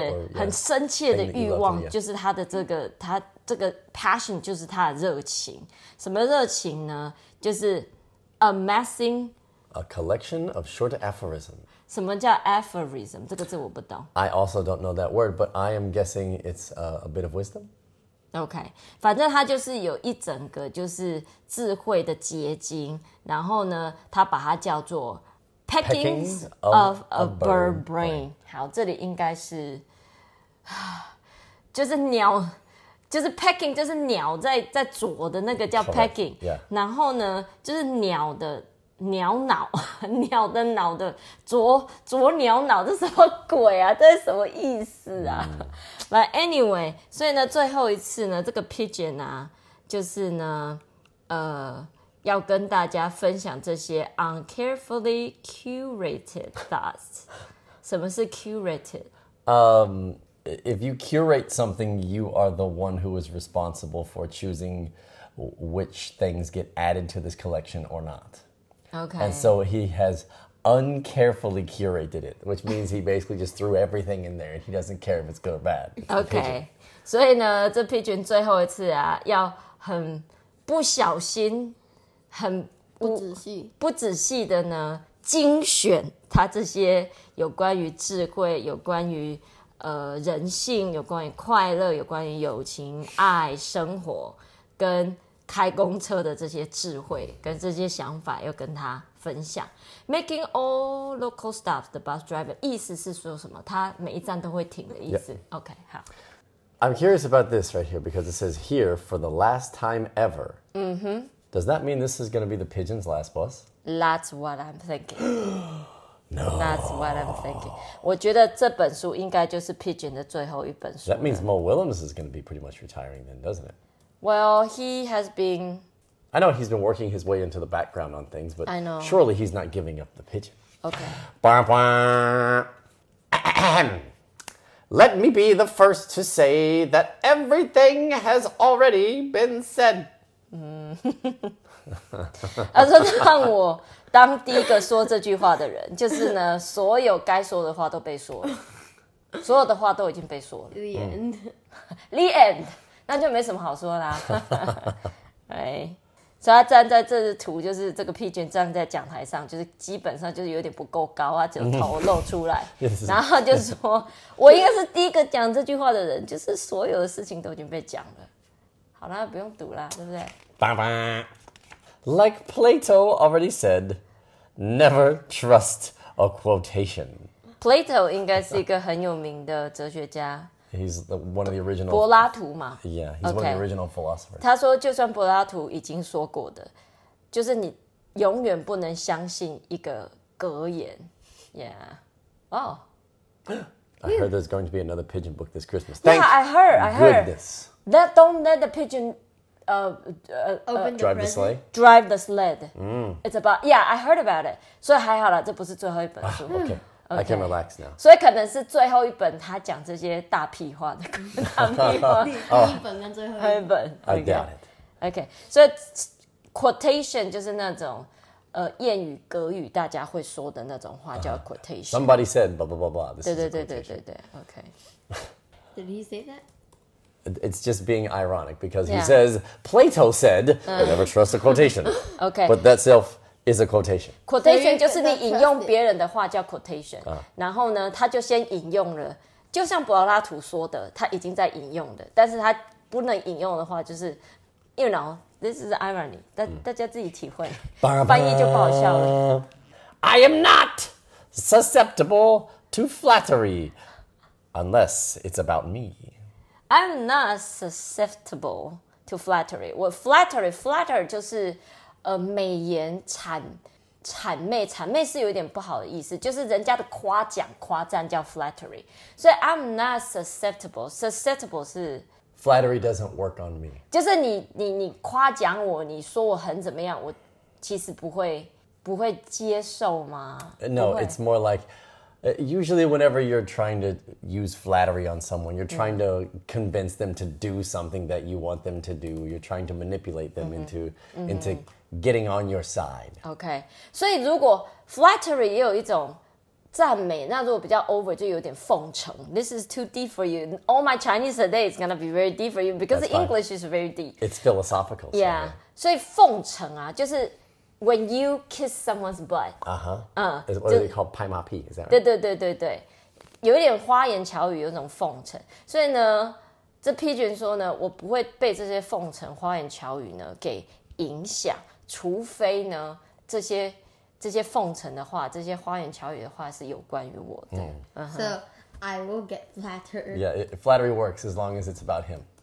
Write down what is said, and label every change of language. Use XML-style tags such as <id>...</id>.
<zh>对很深切的欲望，就是他的这个他。这个 passion 就是他的热情，什么热情呢？就是 amassing</zh> <en>a collection of short aphorisms.</en> <zh>什么叫 aphorism？这个字我不懂。</zh> <en>I also don't know that word, but I am guessing it's a bit of wisdom.</en> <zh>Okay, 反正他就是有一整个就是智慧的结晶，然后呢，他把它叫做</zh> <en>peckings of a bird brain.</en> <zh>好，这里应该是就是鸟。就是 pecking 就是鸟在啄的那个叫 pecking、</zh> <en>yeah.</en> <zh>然后呢就是鸟的脑的啄鸟脑，这什么鬼啊，这是什么意思啊、mm.</zh> <en>But anyway，</en> <zh>所以呢最后一次呢这个 pigeon 啊就是呢要跟大家分享这些</zh> <en>uncarefully curated thoughts。</en> <zh>什么是 curated？</zh> <en>If you curate something, you are the one who is responsible for choosing which things get added to this collection or not. Okay. And so he has uncarefully curated it, which means he basically just threw everything in there. He doesn't care if it's good or bad. Okay.</en> <zh>所以呢，这 pigeon 最后一次啊，要很不小心，很不仔细的呢，精选他这些有关于智慧，有关于人性，有关于快乐，有关于友情、爱、生活，跟开公车的这些智慧，跟这些想法，要跟他分享。</zh> <en>Making all local stops, the bus driver</en> <zh>意思是说什么？他每一站都会停的意思。</zh> <en>Yeah. OK, 好。 I'm curious about this right here because it says here for the last time ever. Mm-hmm. Does that mean this is going to be the pigeon's last bus? That's what I'm thinking. No. That's what I'm thinking.</en> <zh>我觉得这本书应该就是 Pigeon 的最后一本书。</zh> <en>That means Mo Willems is going to be pretty much retiring then, doesn't it? Well, he has been... I know he's been working his way into the background on things, but I know. Surely he's not giving up the pigeon. Okay. Let me be the first to say that everything has already been said.</en> <zh>他说让我当第一个说这句话的人，就是呢，所有该说的话都被说了，所有的话都已经被说了。</zh> <en>The end. The end.</en> <zh>那就没什么好说啦。</zh> <en>right.</en> <zh>所以他站在这个图，就是这个 pigeon 站在讲台上，就是基本上就是有点不够高啊，只有头露出来。</zh> <en>yes.</en> <zh>然后就说，我应该是第一个讲这句话的人，就是所有的事情都已经被讲了。好啦，不用读啦，对不对？叭叭。</zh> <en>Like Plato already said, never trust a quotation.</en> <zh>Plato 应该是一个很有名的哲学家。</zh> <en>He's one of the original...</en> <zh>柏拉图嘛。</zh> <en>Yeah, he's、okay. one of the original philosophers.</en> <zh>他说就算柏拉图已经说过的，就是你永远不能相信一个格言。</zh> <en>Yeah. Oh. I heard there's going to be another pigeon book this Christmas. Thank yeah, I heard. Goodness. Don't let the pigeon... Drive the sleigh. Drive the sled. It's about I heard about it.</en> <zh>所以还好啦，这不是最后一本书。</zh> <en>Okay. I can relax now.</en> <zh>所以可能是最后一本，他讲这些大屁话的大屁话。第一本跟最后一本。</zh> <en>Okay. I got it. Okay.</en> <zh>所以 quotation 就是那种谚语格语，大家会说的那种话叫 quotation.</zh> <en>Somebody said blah blah blah blah.</en> <zh>对对对对对对。</zh> <en>Okay. Did he say that? It's just being ironic because he says, Plato said, I never trust a quotation. Okay. But that self is a quotation.</en> <zh>Quotation 就是你引用别人的话叫 quotation. 然后呢他就先引用了。就像柏拉图说的他已经在引用的。但是他不能引用的话就是</zh> <en>you know, this is irony.</en> <zh>大家自己体会。翻译就不好笑了。</zh> <en>I am not susceptible to flattery unless it's about me. I'm not susceptible to flattery.</en> <zh>Well, flattery 就是美言谄媚，谄媚是有点不好的意思，就是人家的夸奖、夸赞叫 flattery.</zh> <en>So I'm not susceptible. Susceptible 是 flattery doesn't work on me.</en> <zh>就是你夸奖我，你说我很怎么样，我其实不会接受吗？</zh> <en>No, it's more like. Usually whenever you're trying to use flattery on someone, you're trying to convince them to do something that you want them to do. You're trying to manipulate them into getting on your side. Okay.</en> <zh>所以如果 flattery 也有一种赞美，那如果比较 over 就有点奉承。</zh> <en>This is too deep for you. All my Chinese today is going to be very deep for you because English is very deep. It's philosophical. Yeah. So.</en> <zh>所以奉承啊，就是</zh> <en>When you kiss someone's butt. What is it called?</en> <zh>拍马屁,</zh> <en>is that right?</en> <zh>对对对对对。有一点花言巧语，有一种奉承。所以呢，这批准说呢，我不会被这些奉承、花言巧语呢给影响，除非呢，这些奉承的话，这些花言巧语的话是有关于我的。</zh> <en>So, I will get flattered. Yeah, flattery works as long as it's about him.</en>